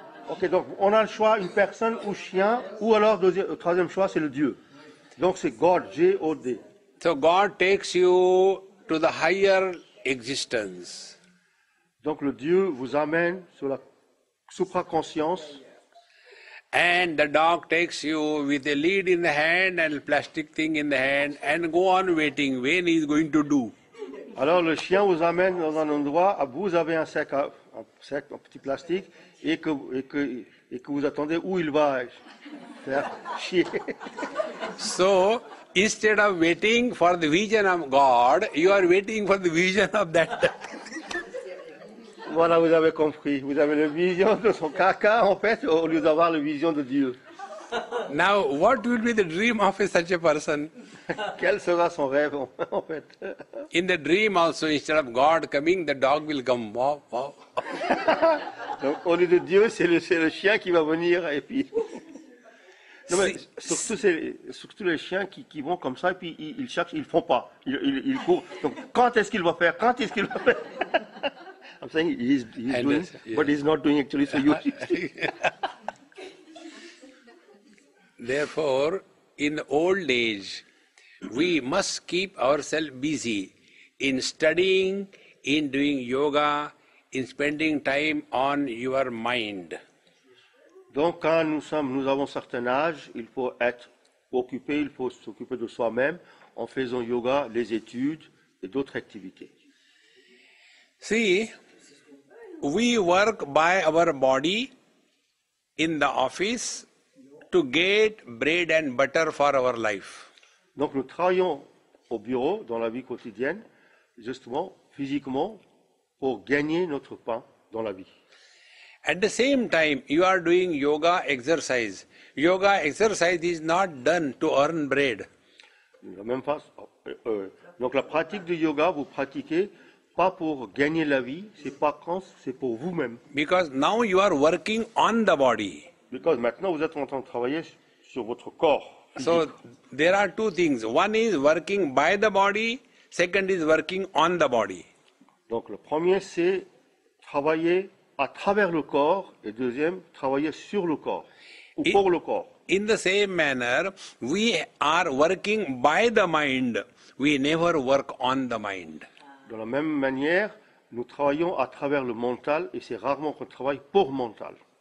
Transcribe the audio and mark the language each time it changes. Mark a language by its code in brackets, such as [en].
[fr] Okay, donc on a le choix, une personne ou chien, ou alors le troisième choix, c'est le Dieu. Donc c'est God, G-O-D. [en] So God takes you to the higher existence. [fr] Donc le Dieu vous amène sur la supraconscience. [en] And the dog takes you with a lead in the hand and a plastic thing in the hand and go on waiting when he's going to do. [fr] Alors le chien vous amène dans un endroit, vous avez un sac, un petit plastique, et que vous attendez où il va faire chier. [en] So, instead of waiting for the vision of God, you are waiting for the vision of that. [fr] Voilà, vous avez compris. Vous avez la vision de son caca, en fait, au lieu d'avoir la vision de Dieu. [en] Now, what will be the dream of such a person? [fr] Quel sera son rêve, en fait? [en] In the dream also, instead of God coming, the dog will come. Wow, wow. [fr] Donc, au lieu de Dieu, c'est le chien qui va venir, et puis... Non, mais surtout les chiens qui vont comme ça, et puis ils cherchent, ils ne font pas. Ils courent. Donc, quand est-ce qu'il va faire? Quand est-ce qu'il va faire? [en] I'm saying he's doing, but he's not doing actually, so you... Therefore, in old age, we must keep ourselves busy in studying, in doing yoga, in spending time on your mind. [fr] Donc, quand nous avons un certain âge, il faut être occupé, il faut s'occuper de soi-même en faisant yoga, les études et d'autres activités. [en] See, we work by our body in the office to get bread and butter for our life. [fr] Donc nous travaillons au bureau dans la vie quotidienne, justement, physiquement, pour gagner notre pain dans la vie. [en] At the same time, you are doing yoga exercise. Yoga exercise is not done to earn bread. [fr] La même façon, donc la pratique de yoga, vous pratiquez pas pour gagner la vie, c'est pour vous-même. [en] Because now you are working on the body. Because [fr] maintenant vous êtes en train de travailler sur votre corps. [en] So there are two things. One is working by the body. Second is working on the body. [fr] Donc le premier c'est travailler à travers le corps et deuxième travailler sur le corps ou pour le corps. [en] In the same manner, we are working by the mind. We never work on the mind. [fr] De la même manière, nous travaillons à travers le mental et c'est rarement qu'on travaille pour mental.